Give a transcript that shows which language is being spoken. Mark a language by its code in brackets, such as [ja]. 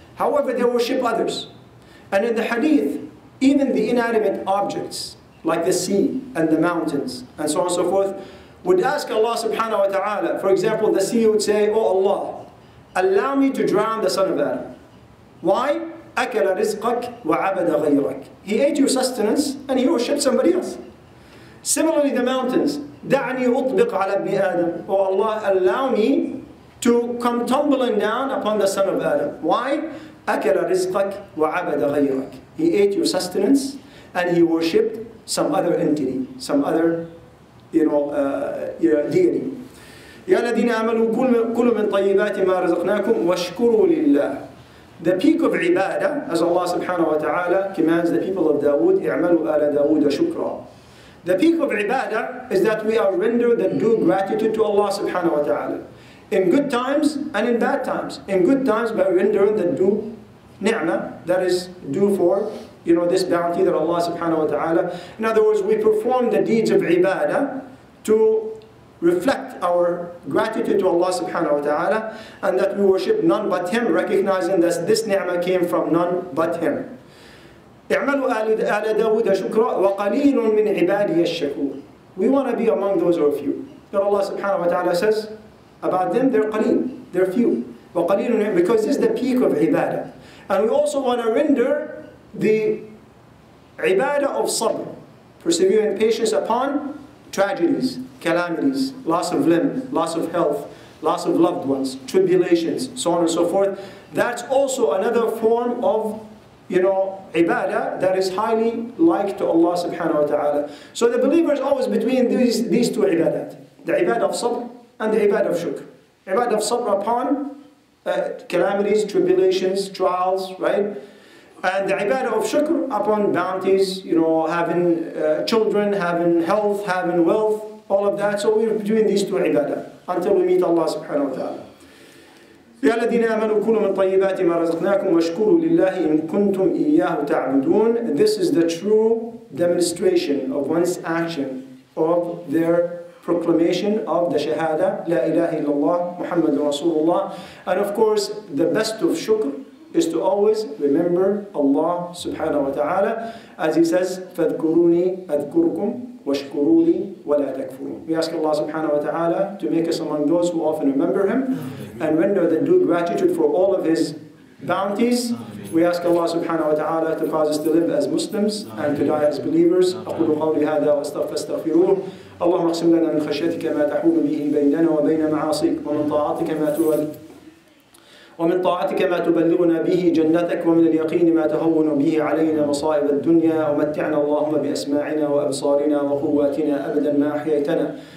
[en] However, they worship others. And in the hadith, even the inanimate objects, like the sea and the mountains, and so on and so forth, would ask Allah subhanahu wa ta'ala, for example, the sea would say, Oh Allah, allow me to drown the son of Adam. Why? [ar] أَكَلَ رِزْقَكْ وَعَبَدَ غَيْرَكْ. [en] He ate your sustenance, and he worshipped somebody else. Similarly, the mountains, [ar] دَعْنِي أُطْبِقْ عَلَى ابْنِ آدَمْ. [en] Oh Allah, allow me to come tumbling down upon the son of Adam. Why? [ar] أَكَلَ رِزْقَكْ وَعَبَدَ غَيْرَكْ. [en] He ate your sustenance and he worshipped some other entity, some other, deity. [ar] يَا الَّذِينَ آمَنُوا كُلُوا مِن طَيِّبَاتِ مَا رَزَقْنَاكُمْ وَاشْكُرُوا لِلَّهِ. [en] The peak of ibadah, as Allah subhanahu wa ta'ala commands the people of Dawood, [ar] اعملوا آل داود شكرا. [en] The peak of ibadah is that we are rendered the due gratitude to Allah subhanahu wa ta'ala. In good times and in bad times. In good times by rendering the due ni'mah, that is due for, you know, this bounty that Allah subhanahu wa ta'ala. In other words, we perform the deeds of ibadah to reflect our gratitude to Allah subhanahu wa ta'ala, and that we worship none but Him, recognizing that this ni'mah came from none but Him. [ar] اعملوا آل داود شكرا وقليل من عبادي الشكور. [en] We want to be among those who are few. But Allah subhanahu wa ta'ala says, about them, they're qaleen, they're few. وَقَلِيلٌ, because this is the peak of ibadah. And we also want to render the ibadah of sabr, persevering patience upon tragedies, calamities, loss of limb, loss of health, loss of loved ones, tribulations, so on and so forth. That's also another form of, you know, ibadah that is highly like to Allah subhanahu wa ta'ala. So the believer is always between these two ibadat, the ibadah of sabr, and the ibadah of shukr. Ibadah of sabr upon calamities, tribulations, trials, right? And the ibadah of shukr upon bounties, you know, having children, having health, having wealth, all of that. So we're doing these two ibadah until we meet Allah subhanahu wa ta'ala. [ar] يا الذين آمنوا كلوا من طيبات ما رزقناكم واشكروا لله إن كنتم إياه تعبدون. [en] This is the true demonstration of one's action of their proclamation of the shahada, [ar] لا إله إلا الله محمد رسول الله. [en] And of course, the best of shukr is to always remember Allah subhanahu wa ta'ala, as he says, [ar] فاذكروني أذكركم واشكروا لي ولا تكفرون. [en] We ask Allah subhanahu wa ta'ala to make us among those who often remember him and render the due gratitude for all of his bounties. We ask Allah subhanahu wa ta'ala to cause us to live as Muslims and to die as believers. [ar] أقول قولي هذا واستغفروه. اللهم اقسم لنا من خشيتك ما تحول به بيننا وبين معاصيك ومن طاعتك ما تولي ومن طاعتك ما تبلغنا به جنتك ومن اليقين ما تهون به علينا مصائب الدنيا ومتعنا اللهم بأسماعنا وأبصارنا وقواتنا أبدا ما أحييتنا